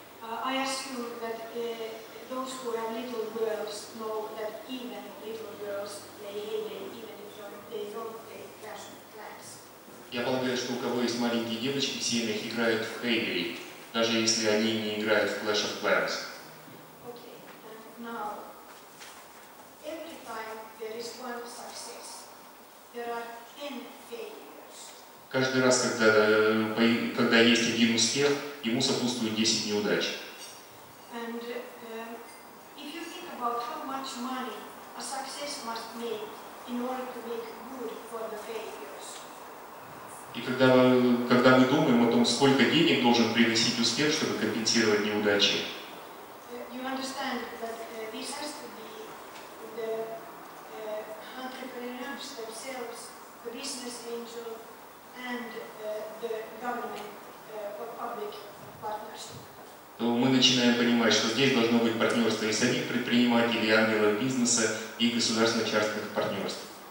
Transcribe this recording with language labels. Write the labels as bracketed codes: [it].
[en] I assume that those who have little girls know that even little girls play Heyday even if they don't play Clash of Clans. [ru] Я полагаю, что у кого есть маленькие девочки, в семьях играют в Heyday, даже если они не играют в Clash of Clans. [en] Okay, and now, every time there is one success, there are 10 failures. [ru] Каждый раз, когда есть один успех, ему сопутствуют 10 неудач. [en] And if you think about how much money a success must make in order to make good for the failures. [ru] И когда мы думаем о том, сколько денег должен приносить успех, чтобы компенсировать неудачи. [en] You understand that this has to be the entrepreneurs themselves, the business angel and the government public partnership. [ru] То мы начинаем понимать, что здесь должно быть партнерство и самих предпринимателей, и ангелов бизнеса, и государственно-частных партнерств.